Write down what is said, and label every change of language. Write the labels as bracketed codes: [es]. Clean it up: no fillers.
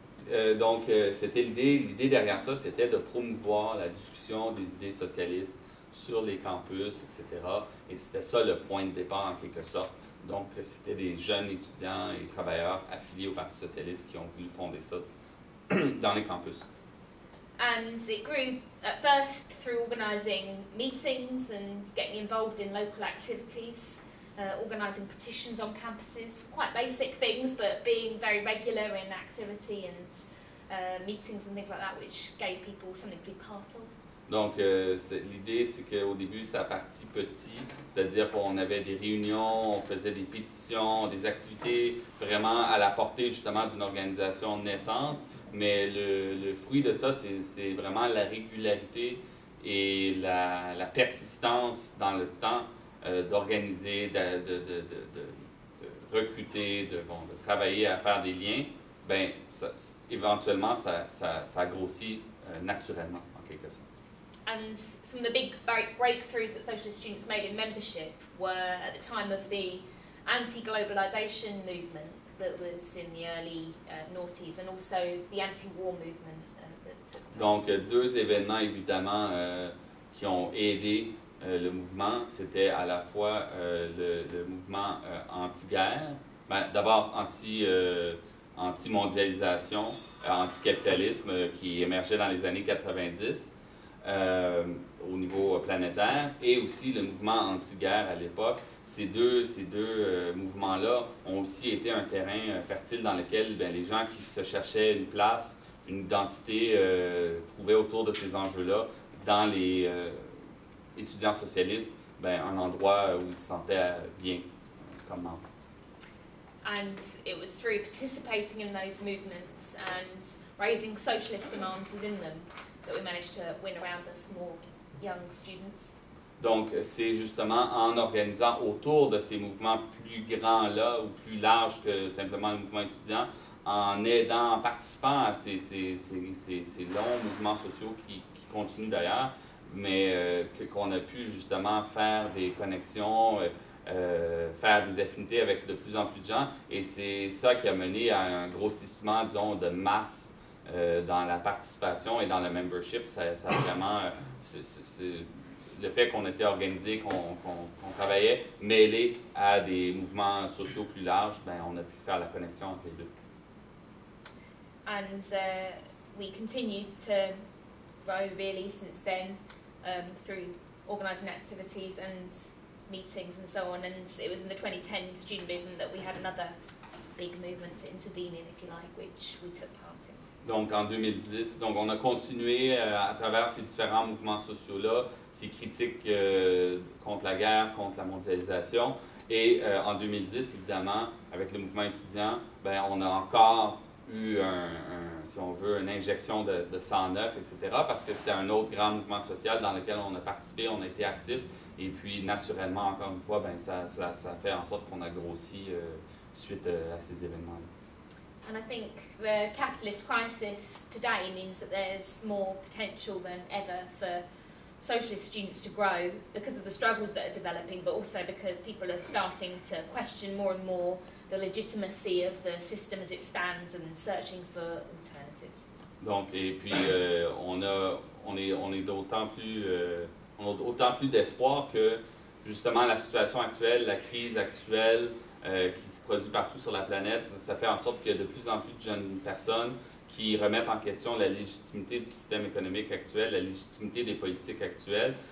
[fr] Mais donc c'était l'idée derrière ça, c'était de promouvoir la discussion des idées socialistes sur les campus, etc. Et c'était ça le point de départ en quelque sorte. Donc, c'était des jeunes étudiants et travailleurs affiliés au Parti socialiste qui ont voulu fonder ça dans les campus. [en] And it grew at first through organizing meetings and getting involved in local activities, organizing petitions on campuses, quite basic things, but being very regular in activity and meetings and things like that, which gave people something to be part of. [fr] Donc, l'idée, c'est qu'au début, ça a parti petit, c'est-à-dire qu'on avait des réunions, on faisait des pétitions, des activités vraiment à la portée, justement, d'une organisation naissante. Mais le fruit de ça, c'est vraiment la régularité et la persistance dans le temps d'organiser, de recruter, de travailler à faire des liens. Ben, ça, éventuellement, ça grossit naturellement, en quelque sorte. [en] And some of the big breakthroughs that Socialist Students made in membership were at the time of the anti-globalisation movement that was in the early noughties, and also the anti-war movement that took place. [fr] Donc, deux événements, évidemment, qui ont aidé le mouvement, c'était à la fois le mouvement anti-guerre, ben, d'abord anti-mondialisation, anti-capitalisme qui émergeait dans les années 90, au niveau planétaire, et aussi le mouvement anti-guerre à l'époque. Ces deux mouvements-là ont aussi été un terrain fertile dans lequel bien, les gens qui se cherchaient une place, une identité, trouvaient autour de ces enjeux-là, dans les étudiants socialistes, bien, un endroit où ils se sentaient bien comme membres. [en] And it was through participating in those movements and raising socialist demands within them that we managed to win around the small young students. [fr] Donc, c'est justement en organisant autour de ces mouvements plus grands-là ou plus larges que simplement le mouvement étudiant, en aidant, en participant à ces longs mouvements sociaux qui continuent d'ailleurs, mais qu'on a pu justement faire des connexions, faire des affinités avec de plus en plus de gens, et c'est ça qui a mené à un grossissement, disons, de masse dans la participation et dans le membership, ça vraiment, c'est le fait qu'on était organisé, qu'on travaillait mêlé à des mouvements sociaux plus larges, ben on a pu faire la connexion entre les deux. [en] And we continued to grow really since then through organizing activities and meetings and so on. And it was in the 2010 student movement that we had another big movement to intervene in, if you like, which we took part in. [fr] Donc, en 2010, donc on a continué à travers ces différents mouvements sociaux-là, ces critiques contre la guerre, contre la mondialisation. Et en 2010, évidemment, avec le mouvement étudiant, ben, on a encore eu, si on veut, une injection de 109, etc., parce que c'était un autre grand mouvement social dans lequel on a participé, on a été actif. Et puis, naturellement, encore une fois, ben, ça fait en sorte qu'on a grossi suite à ces événements-là. [en] And I think the capitalist crisis today means that there's more potential than ever for socialist students to grow because of the struggles that are developing, but also because people are starting to question more and more the legitimacy of the system as it stands and searching for alternatives. [fr] Donc, et puis, on est d'autant plus, on a autant plus d'espoir que, justement, la situation actuelle, la crise actuelle qui se produit partout sur la planète, ça fait en sorte qu'il y a de plus en plus de jeunes personnes qui remettent en question la légitimité du système économique actuel, la légitimité des politiques actuelles.